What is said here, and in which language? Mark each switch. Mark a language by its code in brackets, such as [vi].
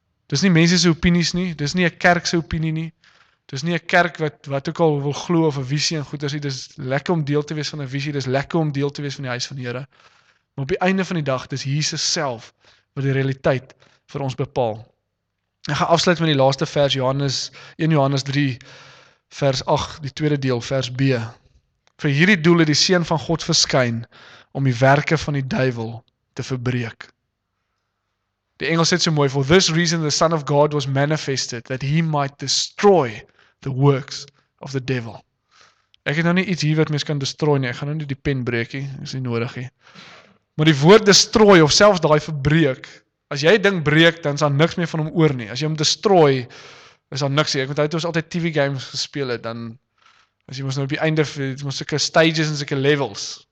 [af] Dis nie mense se opinies nie, dis nie 'n kerk se opinie nie, dis nie 'n kerk wat ook al wil glo of 'n visie en goeders nie, dis lekker om deel te wees van 'n visie, dis lekker om deel te wees van die huis van die Here, maar op die einde van die dag, dis Jesus self, wat die realiteit vir ons bepaal. Ek gaan afsluit met die laaste vers, Johannes 1 Johannes 3 vers 8, die tweede deel, vers B. Vir hierdie doel het die Seun van God verskyn, om die werke van die duivel te verbreek. Die Engel sê so mooi, [en] for this reason the Son of God was manifested, that he might destroy the works of the devil. [af] Ek het nou nie iets hier wat mens kan destroy nie, ek gaan nou nie die pen breek nie, is nie nodig nie. Maar die woord destroy, of selfs daai verbreek, as jy ding breek, dan is daar niks meer van hom oor nie. As jy hom destroy, is daar niks meer. Ek onthou toe ons altyd TV games gespeel het, dan, as jy ons nou op die einde, het ons soke stages en soke levels.